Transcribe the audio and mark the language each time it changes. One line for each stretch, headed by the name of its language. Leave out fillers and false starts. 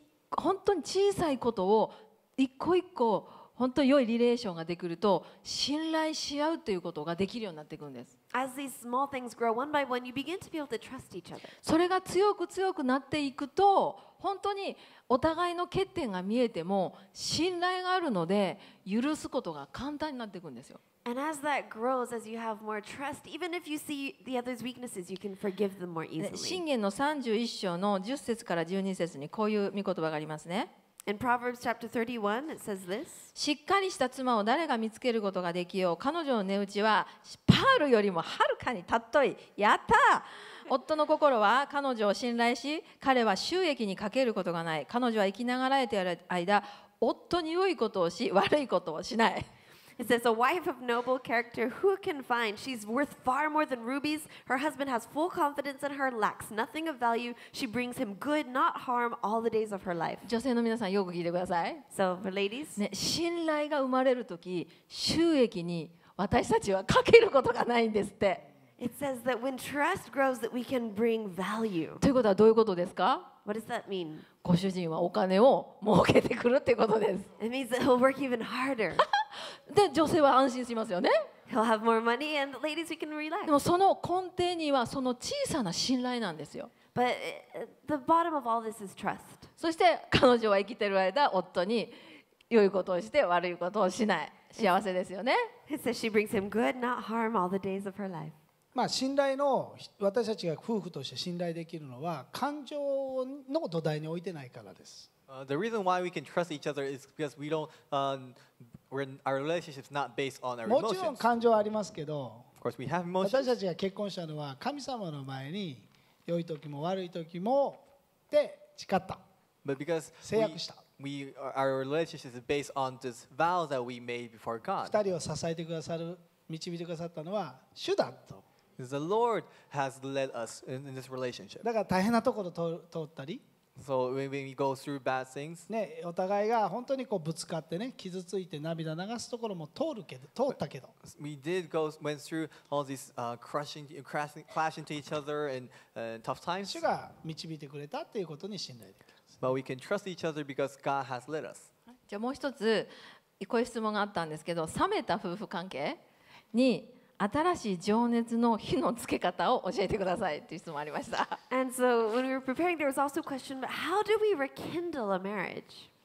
Japanese: 本当に小さいことを一個一個本当に良いリレーションができると信頼し合うということができるようになっていくんです。
English: As these small things grow one by one, you begin to be able to trust each other.
Japanese: それが強く強くなっていくと本当にお互いの欠点が見えても信頼があるので許すことが簡単になっていくんですよ。
English: And as that grows, as you have more trust, even if you see the other's weaknesses, you can forgive them more easily.
Japanese: 箴言の31章の10節から12節にこういう御言葉がありますね。
English: In Proverbs chapter 31, it says this.
Japanese: しっかりした妻を誰が見つけることができよう。彼女の値打ちはパールよりもはるかにたっとい。やった。夫の心は彼女を信頼し、彼は収益に欠けることがない。彼女は生きながらえている間、夫に良いことをし、悪いことをしない。
English: It says, a wife of noble character, who can find? She's worth far more than rubies. Her husband has full confidence in her, lacks nothing of value. She brings him good, not harm, all the days of her life.
Japanese: 女性の皆さん、よく聞いてください。
English: So, for ladies,、
Japanese: ね、信頼が生まれるとき、収益に私たちはかけることがないんですって。
English: It says that when trust grows, that we can bring value.
Japanese: ということはどういうことですか？
English: What does that mean?
Japanese: ご主人はお金を儲けてくるっていうことです。
English: It means that he'll work even harder.
Japanese: で、女性は安心しますよね。
English: He'll have more money and ladies, we can relax.
Japanese: でもその根底にはその小さな信頼なんですよ。
English: But the bottom of all this is trust.
Japanese: そして彼女は生きてる間、夫に良いことをして悪いことをしない。幸せですよね。
English: It says she brings him good, not harm, all the days of her life.
Japanese: まあ、信頼の私たちが夫婦として信頼できるのは感情の土台に置いてないからです。
English: The reason why we can trust each other is because we don't, our relationship is not based on our emotions.
Japanese: もちろん感情はありますけど、
English: of course we have emotions.
Japanese: 私たちが結婚したのは神様の前に良い時も悪い時もで誓った。
English: But because
Japanese: 誓約した。
English: We, our relationship is based on this vow that we made before God.
Japanese: 二人を支えてくださる、導いてくださったのは主だと。
English: The Lord has led us in this relationship.
Japanese: だから大変なところを通ったり、
English: so when we go through bad things,
Japanese: ね、お互いが本当にこうぶつかってね、傷ついて涙流すところも通るけど、通ったけど、
English: we did go went through all these crashing to each other and tough times.
Japanese: 主が導いてくれたっていうことに信頼できます。
English: But we can trust each other because God has led us.
Japanese: じゃあもう一つこういう質問があったんですけど、冷めた夫婦関係に。新しい情熱の火のつけ方を教えてくださいという質問ありました。
English: And so when we were preparing, there was also a question, but how do we rekindle a marriage?